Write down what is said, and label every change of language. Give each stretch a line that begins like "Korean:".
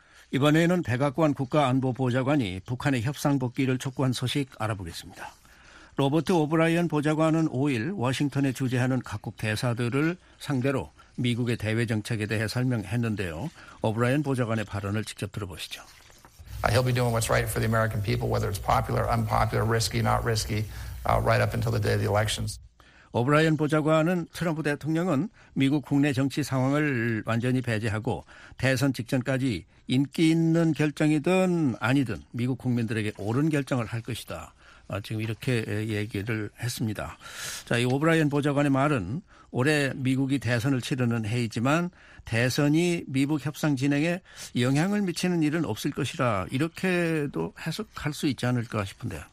Korean: 이번에는 백악관 국가안보보좌관이 북한의 협상 복귀를 촉구한 소식 알아보겠습니다. 로버트 오브라이언 보좌관은 5일 워싱턴에 주재하는 각국 대사들을 상대로 미국의 대외 정책에 대해 설명했는데요. 오브라이언 보좌관의 발언을 직접 들어보시죠.
English: He'll be doing what's right for the American people, whether it's popular, unpopular, risky, not risky, right up until the day of the elections.
Korean: 오브라이언 보좌관은 트럼프 대통령은 미국 국내 정치 상황을 완전히 배제하고 대선 직전까지 인기 있는 결정이든 아니든 미국 국민들에게 옳은 결정을 할 것이다. 지금 이렇게 얘기를 했습니다. 자, 이 오브라이언 보좌관의 말은 올해 미국이 대선을 치르는 해이지만 대선이 미북 협상 진행에 영향을 미치는 일은 없을 것이라 이렇게도 해석할 수 있지 않을까 싶은데요.